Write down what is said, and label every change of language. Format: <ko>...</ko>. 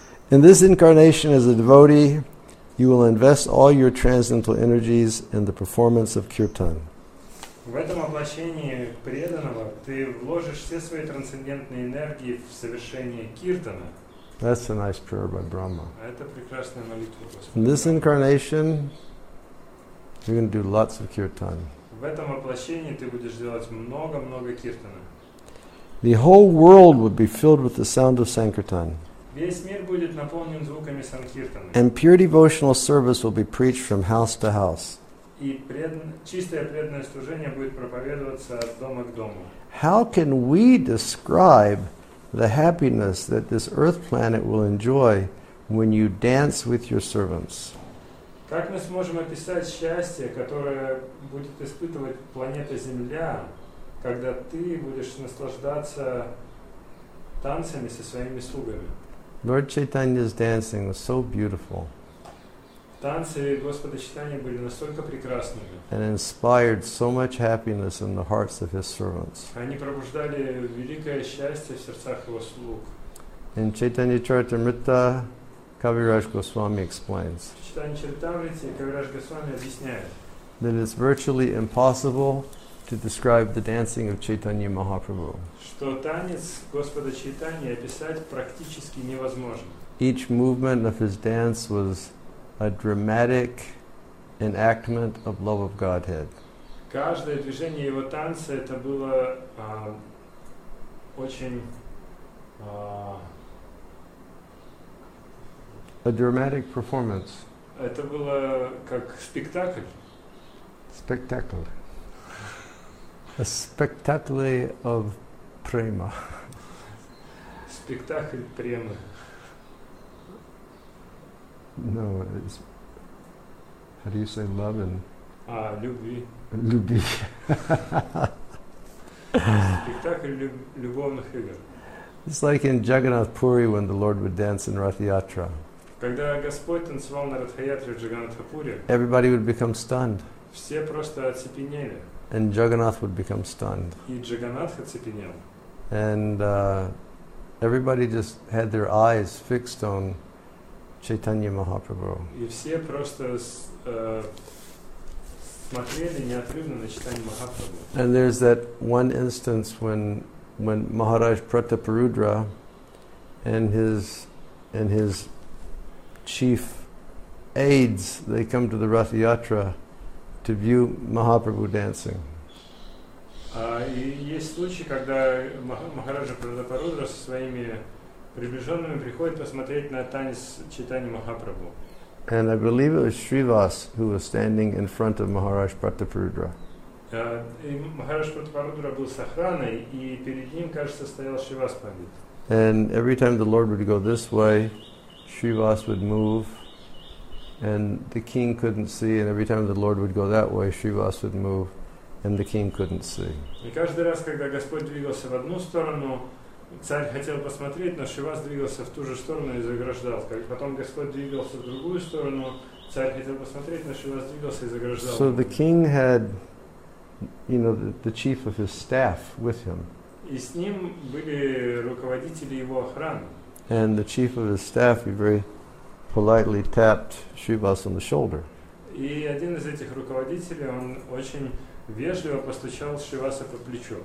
<en>In this incarnation as a devotee, you will invest all your transcendental energies in the performance of kirtan.</en> <ru>В этом воплощении преданного ты вложишь все свои трансцендентные энергии в совершение киртана.</ru> <en>That's a nice prayer by Brahma.</en> <ru>Это прекрасная молитва Господа.</ru> <en>In this incarnation, you're going to do lots of kirtan.</en> <ru>В этом воплощении ты будешь делать много-много киртана.</ru> <en>The whole world would be filled with the sound of sankirtan.</en> <ru>Весь мир будет наполнен звуками санкиртаны.</ru> <en>And pure devotional service will be preached from house to house.</en> <ru>И чистое преданное служение будет проповедоваться от дома к дому.</ru> <en>How can we describe the happiness that this earth planet will enjoy when you dance with your servants?</en> <ru>Как мы сможем описать счастье, которое будет испытывать планета Земля, когда ты будешь наслаждаться танцами со своими слугами?</ru> <en>Lord Chaitanya's dancing was so beautiful.</en> <ru>Танцы Господа Чайтаньи были настолько прекрасными.</ru> <en>And inspired so much happiness in the hearts of his servants.</en> <ru>Они пробуждали великое счастье в сердцах его слуг.</ru> <en>In Chaitanya Charitamrita, Kaviraj Goswami explains.</en> <ru>В Чайтанье Чаритамрите Кавирадж Госвами объясняет.</ru> <en>That it's virtually impossible to describe the dancing of Chaitanya Mahaprabhu.</en> <ru>Что танец Господа Чайтаньи описать практически невозможно.</ru> <en>Each movement of his dance was a dramatic enactment of love of Godhead.</en> <ru>Каждое движение его танца это было очень</ru> <en>a dramatic performance.</en> <ru>Это было как спектакль.</ru> <en>Spectacle. A spectacle of prema. Spectacle prema. No, it's, how do you say love in?</en> <ru>Любви. Любви. Spectacle любовных игр.</ru> <en>It's like in Jagannath Puri when the Lord would dance in Rath Yatra.</en> <ru>Когда Господь танцевал на Ратха Ятре в Джаганнатха Пури.</ru> <en>Everybody would become stunned.</en> <ru>Все просто оцепенели.</ru> <en>And Jagannath would become stunned.</en> <ru>И Джаганнат оцепенел.</ru> <en>And everybody just had their eyes fixed on Chaitanya Mahaprabhu.</en> <ru>И все просто смотрели неотрывно на Чайтанью Махапрабху.</ru> <en>And there's that one instance when Maharaj Prataparudra and his chief aides, they come to the Rath Yatra to view Mahaprabhu dancing.</en> <ru>И есть случай, когда Махараджа Прадапарудра со своими приближенными приходит посмотреть на танец Чайтаньи Махапрабху.</ru> <en>And I believe it was Shrivas who was standing in front of Maharaj Prataparudra.</en> <ru>И Махарадж Прадапарудра был с охраной, и перед ним, кажется, стоял Шривас Пандит.</ru> <en>And every time the Lord would go this way, Shrivas would move. And the king couldn't see, and every time the Lord would go that way, Shrivas would move, and the king couldn't see.</en> <ru>И каждый раз, когда Господь двигался в одну сторону, царь хотел посмотреть, но Шривас двигался в ту же сторону и заграждал. Потом Господь двигался в другую сторону, царь хотел посмотреть, но Шривас двигался и заграждал.</ru> <en>So the king had, you know, the chief of his staff with him.</en> <ru>И с ним были руководители его охраны.</ru> <en>And the chief of his staff, he very politely tapped Shrivas on the shoulder.</en> <ru>И один из этих руководителей, он очень вежливо постучал Шриваса по плечу.</ru>